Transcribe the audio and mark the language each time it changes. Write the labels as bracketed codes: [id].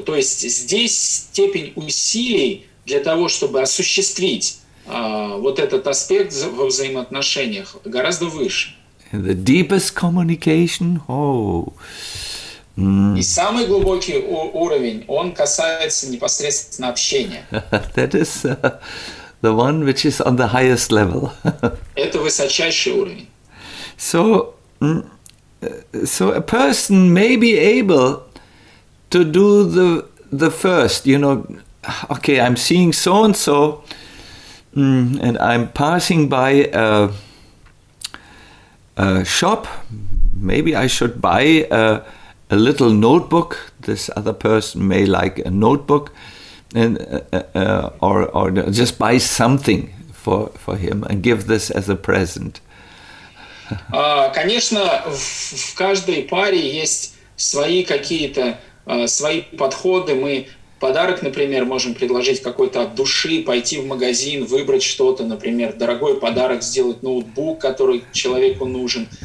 [ru] То есть здесь степень усилий для того, чтобы осуществить вот этот аспект во взаимоотношениях, гораздо выше. [en] The deepest communication, [ru] И самый глубокий уровень, он касается непосредственно общения. [en] That is the one which is on the highest level. [ru] Это высочайший уровень. [en] So a person may be able to do the first, you know. Okay, I'm seeing so-and-so, and I'm passing by a shop. Maybe I should buy a little notebook. This other person may like a notebook, and or just buy something for him and give this as a present. [ru] Конечно, в каждой паре есть свои какие-то свои подходы. Мы подарок, например, можем предложить какой-то от души, пойти в магазин, выбрать что-то, например, дорогой подарок, сделать ноутбук, который человеку нужен.